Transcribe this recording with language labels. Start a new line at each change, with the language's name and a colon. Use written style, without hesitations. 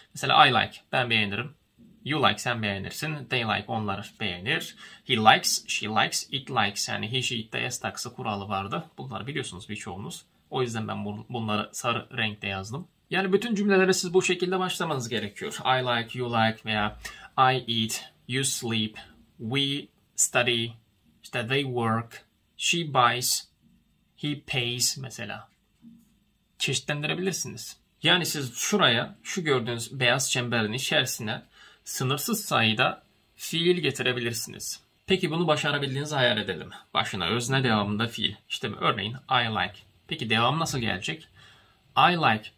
Turkish: Mesela
English: I like,
Turkish: ben beğenirim.
English: You like,
Turkish: sen beğenirsin.
English: They like,
Turkish: onlar beğenir.
English: He likes, she likes, it likes.
Turkish: Yani
English: he, she, it
Turkish: de es taksı kuralı vardı. Bunları biliyorsunuz birçoğunuz. O yüzden ben bunları sarı renkte yazdım. Yani bütün cümlelere siz bu şekilde başlamanız gerekiyor.
English: I like, you like
Turkish: veya
English: I eat, you sleep, we study,
Turkish: işte
English: they work, she buys, he pays
Turkish: mesela. Çeşitlendirebilirsiniz. Yani siz şuraya şu gördüğünüz beyaz çemberin içerisine sınırsız sayıda fiil getirebilirsiniz. Peki bunu başarabildiğinizi hayal edelim. Başına özne, devamında fiil. İşte örneğin
English: I like.
Turkish: Peki devam nasıl gelecek? I like.